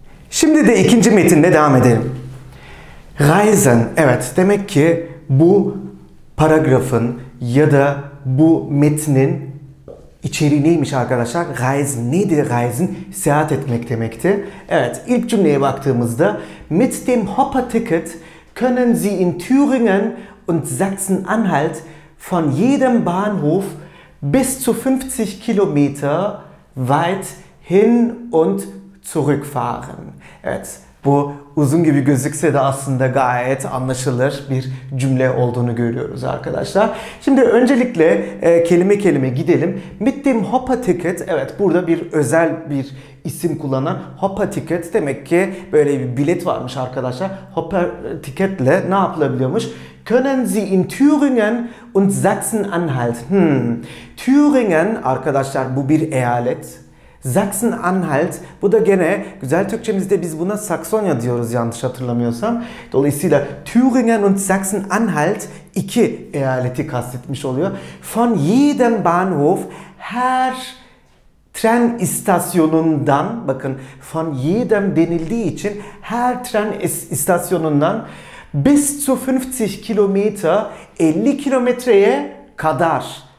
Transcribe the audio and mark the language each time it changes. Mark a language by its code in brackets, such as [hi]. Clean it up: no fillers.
[tr] Şimdi de ikinci metinle devam edelim. Reisen, evet, demek ki bu paragrafın ya da bu metnin içeriği neymiş arkadaşlar? Reisen neydi? Reisen seyahat etmek demekti. Evet, ilk cümleye baktığımızda [de] mit dem Hopper-Ticket können Sie in Thüringen und Sachsen-Anhalt von jedem Bahnhof bis zu 50 Kilometer weit hin und zurückfahren. [tr] Evet, bu uzun gibi gözükse de aslında gayet anlaşılır bir cümle olduğunu görüyoruz arkadaşlar. Şimdi öncelikle kelime kelime gidelim. [de] Mit dem Hopper-Ticket, [tr] evet, burada bir özel bir isim kullanan Hopper-Ticket, demek ki böyle bir bilet varmış arkadaşlar. Hopper-Ticket'le ne yapılabiliyormuş? [de] Können Sie in Thüringen und Sachsen-Anhalt? [tr] Thüringen arkadaşlar, bu bir eyalet. Sachsen-Anhalt, bu da gene güzel Türkçemizde biz buna Saksonya diyoruz yanlış hatırlamıyorsam. Dolayısıyla Thüringen und Sachsen-Anhalt iki eyaleti kastetmiş oluyor. [de] Von jedem Bahnhof, [tr] her tren istasyonundan, bakın [de] von jedem [tr] denildiği için her tren istasyonundan [de] bis zu 50 kilometer, [tr] 50 kilometreye kadar.